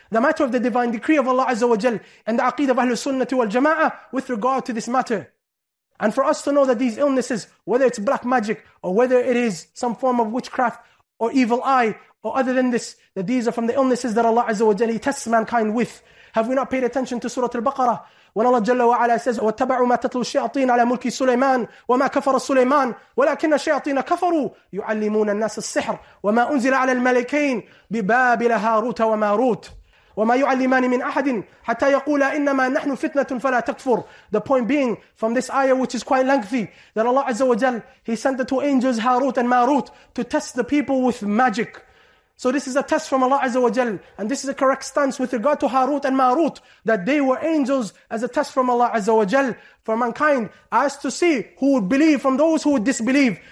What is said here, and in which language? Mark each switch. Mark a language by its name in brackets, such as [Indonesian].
[English] The matter of the divine decree of Allah Azza wa Jal and the aqeed of Ahlul Sunnah wal Jama'ah with regard to this matter. And for us to know that these illnesses, whether it's black magic or whether it is some form of witchcraft or evil eye, or other than this, that these are from the illnesses that Allah Azza wa Jalla tests mankind with. Have we not paid attention to Surah Al-Baqarah? [Arabic] When Allah Jalla wa Ala says, وَاتَّبَعُوا مَا تَتْلُوا الشَّيَاطِينَ عَلَى مُلْكِ سُلَيْمَانَ وَمَا كَفَرَ سُلَيْمَانَ وَلَكِنَّ الشَّيَاطِينَ كَفَرُوا يُعَلِّمُونَ النَّاسَ السِّحْرَ وَمَا أُنزِلَ عَلَى الْمَلَكَيْنِ بِبَابِلَ هَارُوتَ وَمَارُوتَ وَمَا يُعَلِّمَانِ مِنْ أَحَدٍ حَتَّى يَقُولَ إِنَّمَا نَحْنُ فِتْنَةٌ فَلَا تَكْفُرُ. [English] The point being, from this ayah which is quite lengthy, that Allah Azza wa Jal, he sent the two angels, Harut and Marut, to test the people with magic. So this is a test from Allah Azza wa Jal, and this is a correct stance with regard to Harut and Marut, that they were angels as a test from Allah Azza wa Jal for mankind, as to see who would believe from those who would disbelieve.